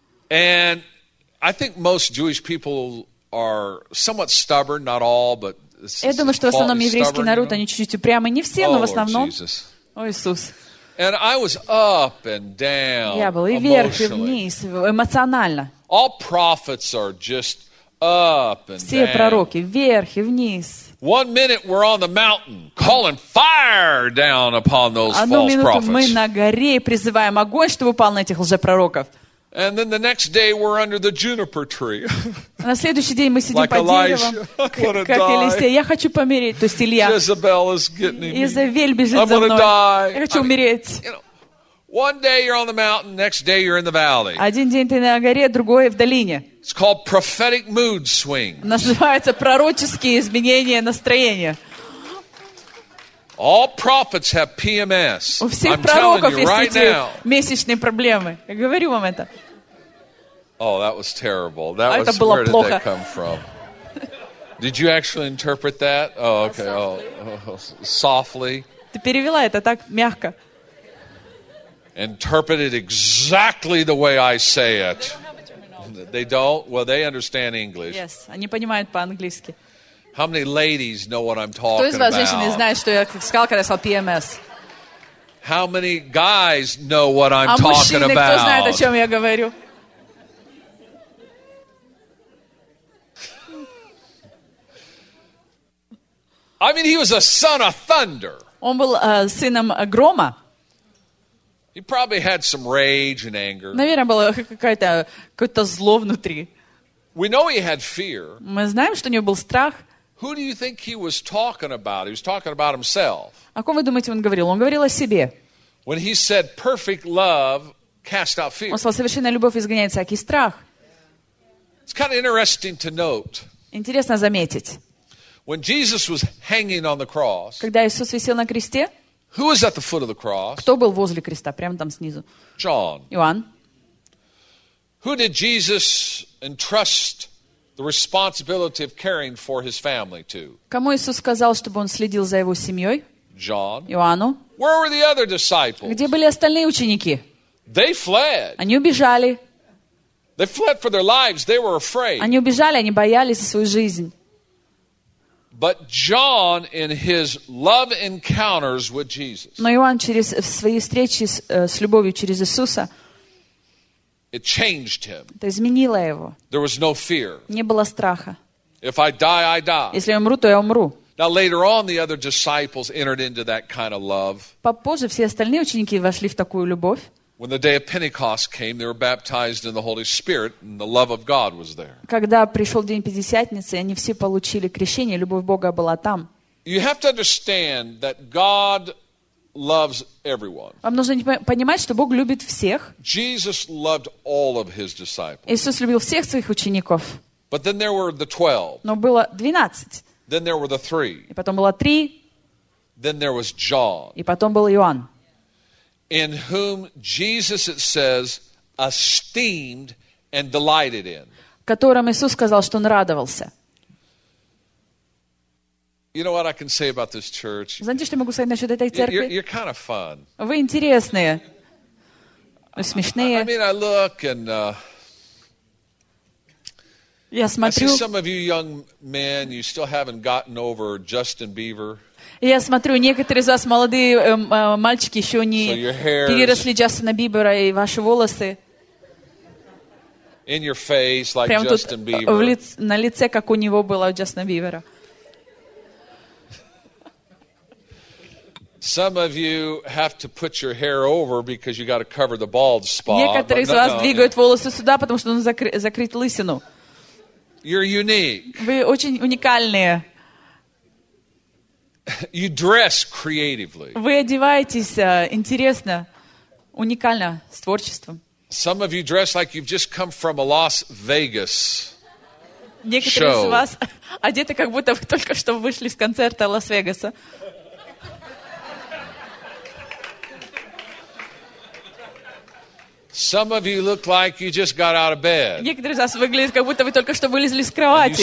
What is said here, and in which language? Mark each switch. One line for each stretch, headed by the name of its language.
English: And I think most Jewish people are somewhat stubborn, not all, but
Russian: я думаю, что в основном еврейский народ, они чуть-чуть упрямы, не все, но в основном. О, Иисус.
English: And I was up and down.
Russian: Я был и вверх, и вниз, эмоционально.
English: All prophets are just up and
Russian: все пророки вверх и вниз.
English: One minute we're on the mountain calling fire down upon those false prophets.
Russian: Одну минуту мы на горе и призываем огонь, чтобы упал на этих лжепророков.
English: And then the next day we're under the juniper tree.
Russian: На следующий день мы сидим под деревом. Как Елисей, я хочу помереть, то есть Илья.
English: Jezebel is getting me.
Russian: Изавель бежит за мной. Я хочу умереть.
English: One day you're on the mountain, next day you're in the valley.
Russian: Один день ты на горе, другой в долине.
English: It's called prophetic mood swings.
Russian: Называется пророческие изменения настроения.
English: All prophets have PMS.
Russian: У всех пророков есть эти месячные проблемы. Я говорю вам это.
English: Oh, that was terrible. That was, where did that come from? Did you actually interpret that? Oh, okay. Oh, softly.
Russian: Ты перевела это так мягко.
English: Interpret it exactly the way I say it. They don't? Well, they understand English. Yes,
Russian: они понимают по-английски.
English: How many ladies know what I'm talking about?
Russian: Кто из вас, женщины, знает, что я сказал, когда я сказал PMS?
English: How many guys know what I'm talking about?
Russian: А мужчины, кто знает, о чем я говорю?
English: I mean, he was a son of thunder.
Russian: Он был сыном грома.
English: He probably had some rage and anger.
Russian: Наверное, было какое-то зло внутри.
English: We know he had fear.
Russian: Мы знаем, что у него был страх.
English: Who do you think he was talking about? He was talking about himself.
Russian: О ком вы думаете, он говорил? Он говорил о себе.
English: When he said, "Perfect love cast out fear."
Russian: Он сказал, совершенная любовь изгоняет всякий страх.
English: It's kind of interesting to note.
Russian: Интересно заметить.
English: When Jesus was hanging on the cross.
Russian: Когда Иисус висел на кресте.
English: Who was at the foot of the cross?
Russian: Кто был возле креста, прямо там снизу?
English: John.
Russian: Иоанн.
English: Who did Jesus entrust the responsibility of caring for his family to?
Russian: Кому Иисус сказал, чтобы он следил за его семьей?
English: John.
Russian: Иоанну.
English: Where were the other disciples?
Russian: Где были остальные ученики?
English: They fled.
Russian: Они убежали.
English: They fled for their lives. They were afraid.
Russian: Они убежали, они боялись за свою жизнь.
English: But John, in his love encounters with Jesus,
Russian: но Иоанн через свои встречи с любовью через Иисуса,
English: it changed him.
Russian: Это изменило его.
English: There was no fear.
Russian: Не было страха.
English: If I die, I die.
Russian: Если я умру, то я умру.
English: Now later on, the other disciples entered into that kind of love.
Russian: Попозже все остальные ученики вошли в такую любовь.
English: When the day of Pentecost came, they were baptized in the Holy Spirit, and the love of God was there.
Russian: Когда пришел день Пятидесятницы, они все получили крещение, любовь Бога была там.
English: You have to understand that God loves everyone.
Russian: Вам нужно понимать, что Бог любит всех.
English: Jesus loved all of his disciples.
Russian: Иисус любил всех своих учеников.
English: But then there were the 12.
Russian: Но было 12.
English: Then there were the 3.
Russian: И потом было 3.
English: Then there was John.
Russian: И потом был Иоанн.
English: In whom Jesus, it says, esteemed and delighted in.
Russian: Которым Иисус сказал, что он радовался.
English: You know what I can say about this church?
Russian: Знаете, что я могу сказать насчет этой церкви?
English: You're kind of fun.
Russian: Вы интересные. Вы смешные.
English: I mean, I look and...
Russian: Я смотрю...
English: I see some of you young men, you still haven't gotten over Justin Bieber.
Russian: Я смотрю, некоторые из вас, молодые мальчики, еще не переросли Джастина Бибера, и ваши волосы
English: in your face, like
Russian: прямо
English: Justin
Russian: тут
English: Bieber.
Russian: На лице, как у него было у Джастина Бибера.
English: Some of you have to put your hair over because you got to cover the bald spot.
Russian: Некоторые из вас двигают волосы сюда, потому что нужно закрыть лысину.
English: You're unique.
Russian: Вы очень уникальные.
English: You dress creatively.
Russian: Вы одеваетесь интересно, уникально, с творчеством.
English: Some of you dress like you've just come from a Las Vegas.
Russian: Некоторые из вас одеты, как будто вы только что вышли с концерта Лас-Вегаса.
English: Some of you look like you just got out of bed.
Russian: Некоторые из вас выглядят, как будто вы только что вылезли с кровати.